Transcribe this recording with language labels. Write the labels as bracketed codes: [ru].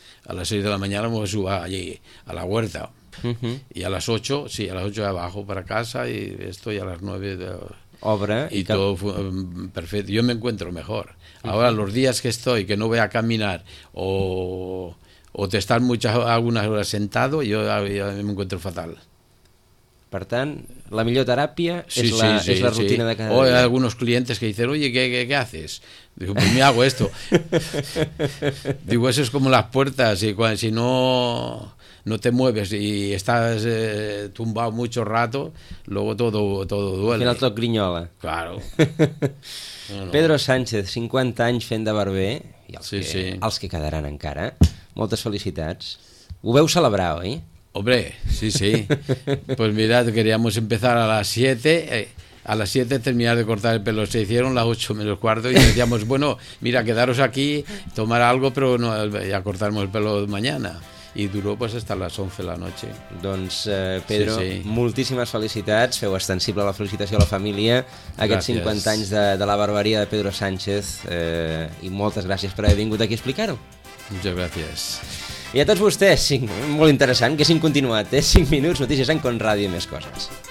[es] A las 6 de la mañana me subo allí a la huerta. Y a las 8, sí, a las 8 ya bajo para casa y estoy a las 9 de obra. Y que... todo perfecto. Yo me encuentro mejor. Ahora, los días que estoy, que no voy a caminar o te estás algunas horas sentado, yo ya me encuentro fatal. [ca] Per tant, la millor teràpia és la rutina de cada dia. O hi ha alguns clients que diuen, [es] oye, ¿qué haces? Digo, pues me hago esto. Digo, eso es como las puertas. Y cuando, si no te mueves y estás tumbado mucho rato, luego todo duele. [ca] Al final tot grinyola. [es] Claro. [ca] Pedro Sánchez, 50 anys fent de barber, i els que quedaran encara. Moltes felicitats. Ho veu celebrar, oi? [es] Hombre, sí, sí. Pues mirad, queríamos empezar a las 7. A las 7 terminar de cortar el pelo. Se hicieron las 8 menos cuarto y decíamos, bueno, mira, quedaros aquí, tomar algo, pero no, ya cortaremos el pelo mañana. Y duró pues hasta las 11 de la noche. [ca] Doncs, Pedro, sí, sí. Moltíssimes felicitats. Feu extensible la felicitació a la família. Aquests gràcies. 50 anys de la barberia de Pedro Sánchez. I moltes gràcies per haver vingut aquí a explicar-ho. [es] Muchas gracias. [ca] I a tots vostès, molt interessant, que haguessin continuat. 5 minuts, notícies en Conradio i més coses.